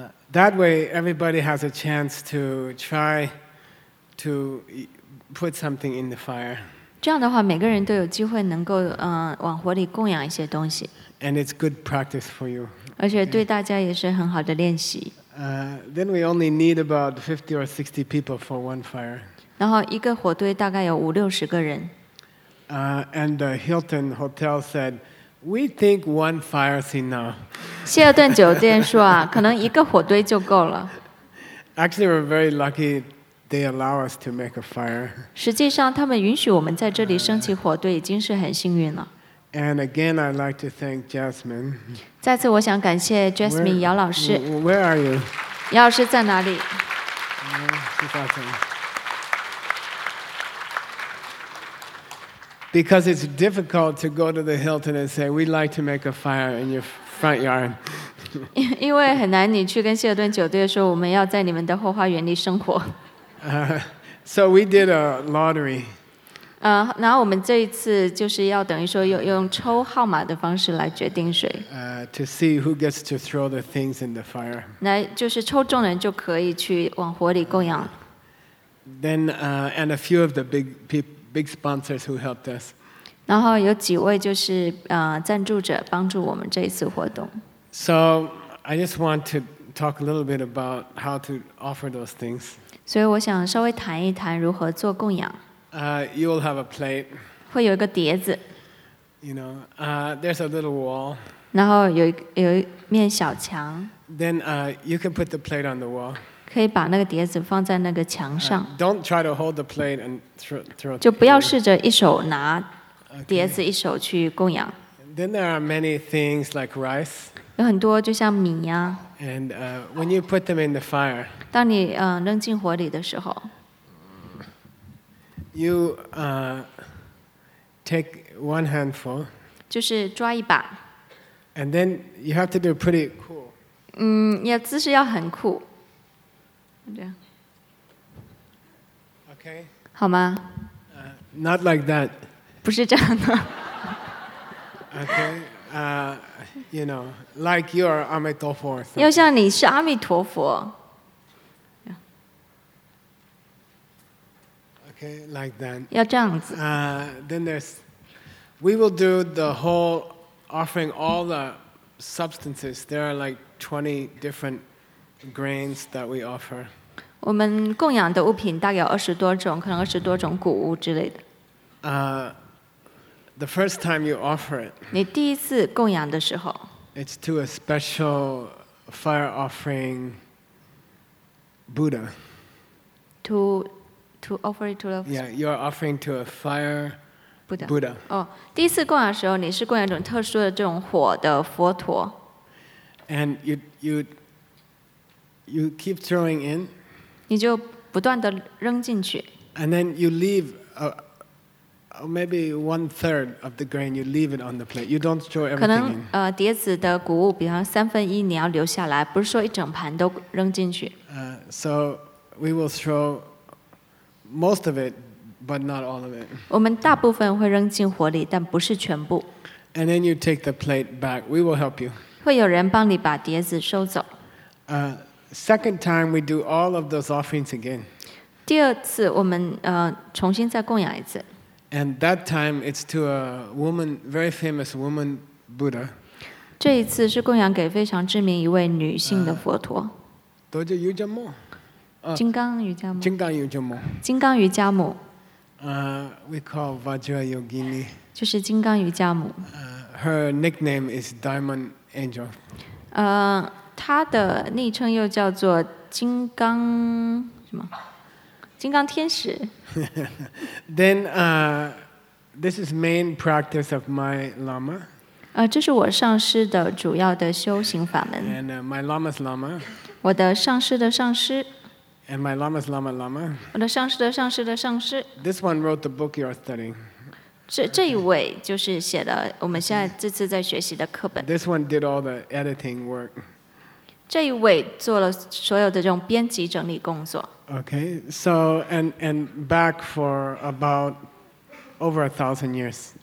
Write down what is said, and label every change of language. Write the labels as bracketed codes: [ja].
[en] That way, everybody has a chance to try to put something in the fire. [zh] 这样的话，每个人都有机会能够往火里供养一些东西。 [en] And it's good practice for you. [zh] 而且对大家也是很好的练习。 [en] Then we only need about 50 or 60 people for one fire. [zh] 然后一个火堆大概有五六十个人。 [en] And the Hilton Hotel said. We think one fire is enough. [zh] 希尔顿酒店说啊，可能一个火堆就够了。 [en] Actually, we're very lucky they allow us to make a fire. [zh] 实际上，他们允许我们在这里升起火堆，已经是很幸运了。 [en] And again, I'd like to thank Jasmine. [zh] 再次，我想感谢 Jasmine 姚老师。 [en] Where are you? [zh] 姚老师在哪里？ [en] Because it's difficult to go to the Hilton and say we'd like to make a fire in your front yard. [zh] 因为很难你去跟希尔顿酒店说我们要在你们的后花园里生火。 [en] So we did a lottery. [zh] 然后我们这一次就是要等于说用抽号码的方式来决定谁。 [en] To see who gets to throw the things in the fire. [zh] 来就是抽中人就可以去往火里供养。 [en] Then and a few of the big people. Big sponsors who helped us. [zh] 然后有几位就是赞助者帮助我们这一次活动。 [en] So I just want to talk a little bit about how to offer those things. [zh] 所以我想稍微谈一谈如何做供养。 [en] You will have a plate. [zh] 会有一个碟子。 [en] You know, there's a little wall. [zh] 然后有一面小墙。 [en] Then you can put the plate on the wall. [zh] 可以把那个碟子放在那个墙上。 [en] Don't try to hold the plate and throw. [zh] 就不要试着一手拿碟子，一手去供养。 [en] Then there are many things like rice. [zh] 有很多就像米呀。 [en] And when you put them in the fire. [zh] 当你扔进火里的时候。 [en] You take one handful. [zh] 就是抓一把。 [en] And then you have to do pretty cool. [zh] 要姿势要很酷。 [en] Okay. [zh] 好吗？ [en] Not like that. [zh] 不是这样的。 [en] Okay. You know, like you are 阿弥陀佛。 [zh] 要像你是阿弥陀佛。 [en] Okay, like that. [zh] 要这样子。 [en] Then there's, we will do the whole offering all the substances. There are like 20 different grains that we offer. [zh] 我们供养的物品大概有二十多种，可能二十多种谷物之类的。 [en] The first time you offer it， [zh] 你第一次供养的时候 [en] ，It's to a special fire offering Buddha. To offer it to the Yeah, you are offering to a fire Buddha. [zh] 第一次供养的时候，你是供养一种特殊的这种火的佛陀。 [en] And you keep throwing in. [zh] 你就不断地扔进去。 [en] And then you leave maybe one third of the grain, you leave it on the plate. You don't throw everything. [zh] 可能碟子的谷物，比方三分一你要留下来，不是说一整盘都扔进去。 [en] So we will throw most of it, but not all of it. [zh] 我们大部分会扔进火里，但不是全部。 [en] And then you take the plate back. We will help you. [zh] 会有人帮你把碟子收走。 [en] Second time we do all of those offerings again. [zh] 第二次我们重新再供养一次。 [en] And that time it's to a woman, very famous woman Buddha. [zh] 这一次是供养给非常知名一位女性的佛陀。 [en] Dojo Yuja Mo. [zh] 金刚瑜伽母。金刚瑜伽母。金刚瑜伽母。 [en] We call Vajra Yogini. [zh] 就是金刚瑜伽母。 [en] Her nickname is Diamond Angel. [zh] 她的昵称又叫做金刚什么？金刚天使。 [en] Then, this is main practice of my lama. [zh] 这是我上师的主要的修行法门。 [en] And my lama's lama. [zh] 我的上师的上师。 [en] And my lama's lama lama. [zh] 我的上师的上师的上师。 [en] This one wrote the book you are studying. [zh] 这一位就是写了我们现在这次在学习的课本。 [en] This one did all the editing work. [zh] 这一位做了所有的这种编辑整理工作。 [en] Okay, so and back for about over 1,000 years.